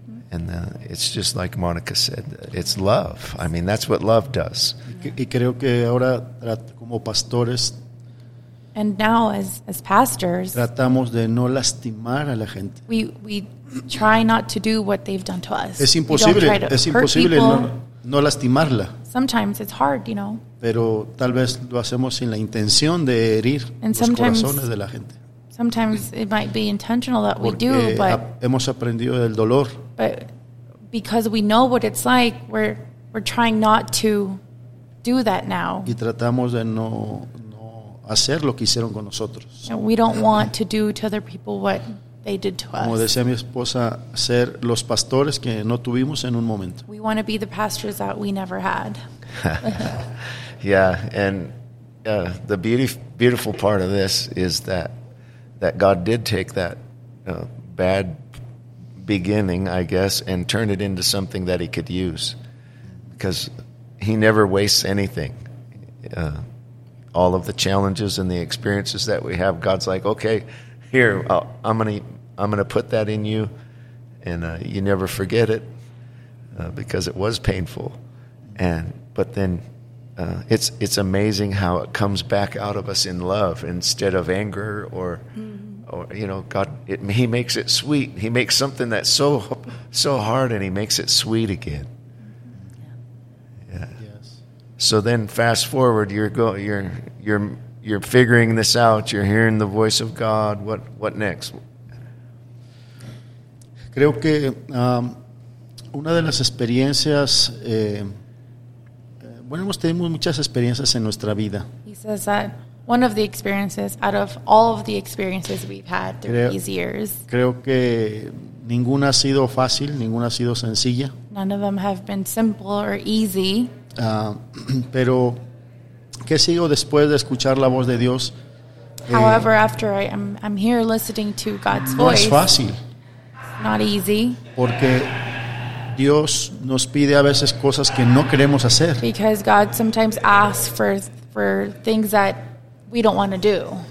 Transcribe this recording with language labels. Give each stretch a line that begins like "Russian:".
English: And it's just like Monica said, it's love. I mean, that's what love does.
Spanish: Y creo que ahora como pastores,
English: and now as pastors,
Spanish: tratamos de no lastimar a la gente.
English: We try not to do what they've done to us.
Spanish: Es imposible, no lastimarla.
English: Sometimes it's hard,
Spanish: Pero tal vez lo hacemos sin la intención de herir los corazones de la gente.
English: Sometimes it might be intentional that
Spanish: Porque
English: we do, but
Spanish: hemos aprendido del dolor.
English: But because we know what it's like, we're trying not to do that now.
Spanish: Y tratamos de no hacer lo que hicieron con nosotros.
English: And we don't want to do to other people what they did to us.
Spanish: Como decía mi esposa, ser los pastores que no tuvimos en un momento.
English: We want to be the pastors that we never had. Yeah, and the beautiful part of this is that God did take that bad beginning, I guess, and turn it into something that he could use. Because he never wastes anything. All of the challenges and the experiences that we have, God's like, okay, here, I'm gonna put that in you, and you never forget it, because it was painful. But then it's amazing how it comes back out of us in love instead of anger or... Mm-hmm. He makes it sweet. He makes something that's so hard, and he makes it sweet again. Yeah. Yes. So then fast forward, you're figuring this out, you're hearing the voice of God. What next?
Spanish: Creo que una de las experiencias, bueno, hemos tenido muchas experiencias en nuestra vida.
English: He says that one of the experiences, out of all of the experiences we've had through these years.
Spanish: Creo que ninguna ha sido fácil, ninguna ha sido sencilla.
English: None of them have been simple or easy.
Spanish: Pero, ¿qué sigo después de escuchar la voz de Dios?
English: However, after I'm here listening to God's
Spanish: no
English: voice.
Spanish: No es fácil.
English: Not easy.
Spanish: Porque Dios nos pide a veces cosas que no queremos hacer.
English: Because God sometimes asks for things that we don't want to do.